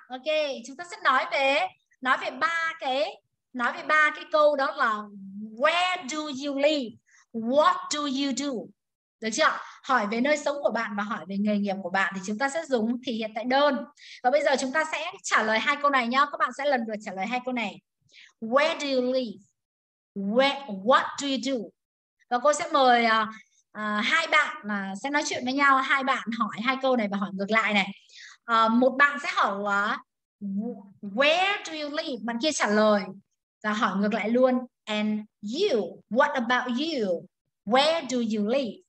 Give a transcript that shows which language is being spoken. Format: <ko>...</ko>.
<vi>Ok, chúng ta sẽ nói về ba cái câu, đó là</vi> <en>where do you live, what do you do,</en> <vi>được chưa? Hỏi về nơi sống của bạn và hỏi về nghề nghiệp của bạn, thì chúng ta sẽ dùng thì hiện tại đơn. Và bây giờ chúng ta sẽ trả lời hai câu này nhá. Các bạn sẽ lần lượt trả lời hai câu này.</vi> <en>Where do you live, where, what do you do?</en> <vi>Và cô sẽ mời hai bạn mà sẽ nói chuyện với nhau. Hai bạn hỏi hai câu này và hỏi ngược lại này. Một bạn sẽ hỏi</vi> <en>where do you live,</en> <vi>bạn kia trả lời và hỏi ngược lại luôn.</vi> <en>And you, what about you, where do you live?</en>